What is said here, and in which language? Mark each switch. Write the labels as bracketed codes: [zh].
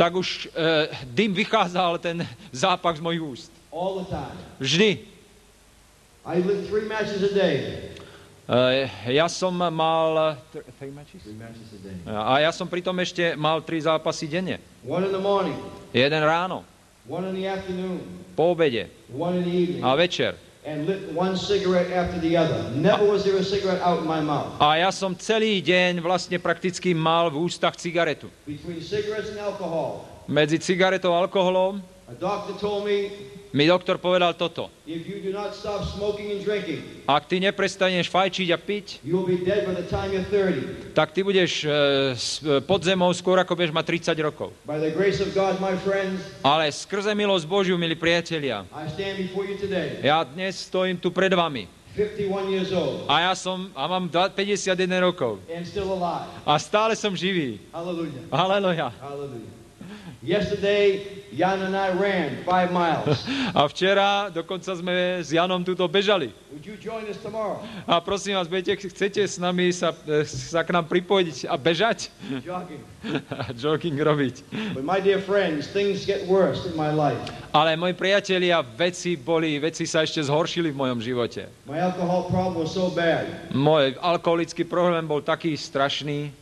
[sk] Tak už dym vychádzal, ten zápach z mojich úst. [en] All the time. [sk] Vždy. [en] I lit three matches a day. [sk] Ja som mal [en] three matches a day. [sk] A ja som pritom ešte mal tri zápasy denne. [en] One in the morning. [sk] Jeden ráno. [en] One in the afternoon. [sk] Po obede. [en] One in the evening. [sk] A večer. [en] And lit one cigarette after the other. Never was there a cigarette out in my mouth. [sk] A ja som celý deň vlastne prakticky mal v ústach cigaretu. [en] Between cigarettes and alcohol. [sk] Medzi cigaretou a alkoholom. [en] A doctor told me. [sk] Mi doktor povedal toto. [en] If you do not stop smoking and drinking. [sk] Ak ty neprestaneš fajčiť a piť. [en] You'll be dead by the time you're 30. [sk] Tak ty budeš pod zemou skôr ako budeš mať 30 rokov. [en] By the grace of God, my friends. [sk] Ale skrze milosť Božiu, milí priatelia. [en] I stand before you today. [sk] Ja dnes stojím tu pred vami. [en] 51 years old. [sk] A mám 51 rokov. [en] And still alive. [sk] A stále som živý. [en] Hallelujah. Hallelujah. Hallelujah. Yesterday Jan and I ran 5 miles. [sk] A včera dokonca sme s Janom tuto bežali. [en] Would you join us tomorrow? [sk] A prosím vás, chcete s nami sa k nám pripojiť a bežať? [en] Jogging. [sk] Jogging robiť. [en] But my dear friends, things get worse in my life. [sk] Ale moji priatelia, veci sa ešte zhoršili v mojom živote. [en] My alcohol problem was so bad. [sk] Môj alkoholický problém bol taký strašný,